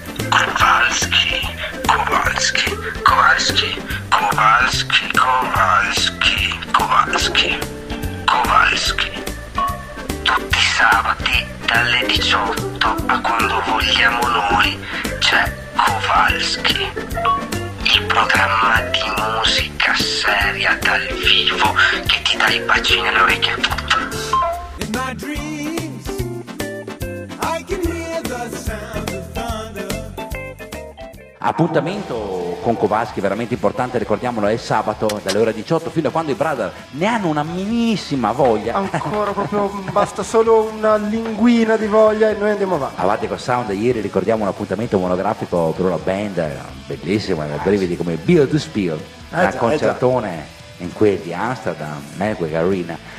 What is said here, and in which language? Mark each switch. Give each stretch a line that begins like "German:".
Italian: Kowalski, Kowalski, Kowalski, Kowalski, Kowalski, Kowalski, Kowalski. Tutti i sabati dalle 18 a quando vogliamo noi, c'è Kowalski, il programma di musica seria dal vivo che ti dà i baci nelle orecchie.
English: In my dreams, I can hear the sound of thunder.
Italian: Appuntamento con Kowalski veramente importante, ricordiamolo, è sabato dalle ore 18 fino a quando i Brother ne hanno una minimissima voglia ancora, proprio basta solo una linguina di voglia e noi andiamo avanti. Avanti con Sound, ieri ricordiamo un appuntamento monografico per una band bellissima, nel brividi, come Bill to Spill, un concertone in quel di Amsterdam, Melkweg Arena.